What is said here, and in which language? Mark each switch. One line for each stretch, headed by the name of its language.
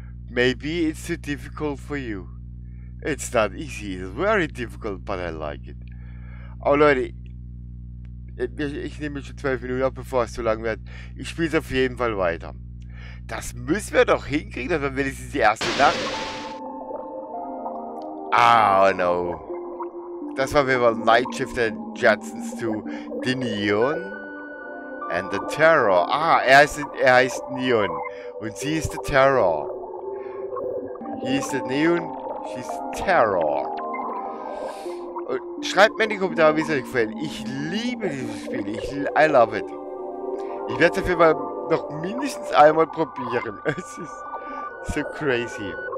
English: Maybe it's too difficult for you. It's not easy. It's very difficult, but I like it.
German: Oh Leute, ich nehme schon 12 Minuten ab, bevor es zu lang wird. Ich spiele es auf jeden Fall weiter. Das müssen wir doch hinkriegen, dass wir wenigstens die erste Nacht.
English: Oh no.
German: Das war wie bei
English: Night Shift and Jetsons to the Neon. And the Terror.
German: Ah, er heißt Neon. Und sie ist der Terror.
English: He is the Neon, she's Terror.
German: Und schreibt mir in die Kommentare, wie es euch gefällt. Ich liebe dieses Spiel.
English: I love it.
German: Ich werde es auf jeden Fall noch mindestens einmal probieren. Es ist so crazy.